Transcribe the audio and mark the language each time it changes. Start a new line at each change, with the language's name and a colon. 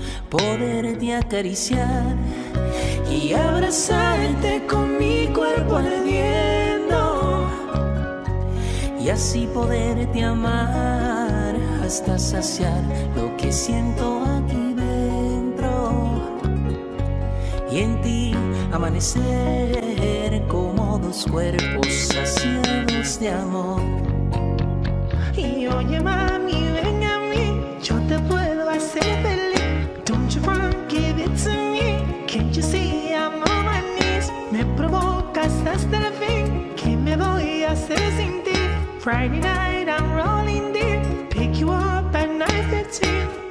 Spanish: poderte acariciar y abrazarte con mi cuerpo ardiendo y así poderte amar hasta saciar lo que siento aquí dentro y en ti amanecer como dos cuerpos saciados de amor. Y oye mami, ven a mí, yo te puedo hacer feliz.
English: Don't you forget it to me, can't you see I'm on my knees.
Spanish: Me provocas hasta el fin, ¿qué me voy a hacer sin ti?
English: Friday night I'm rolling deep, pick you up at 9:15.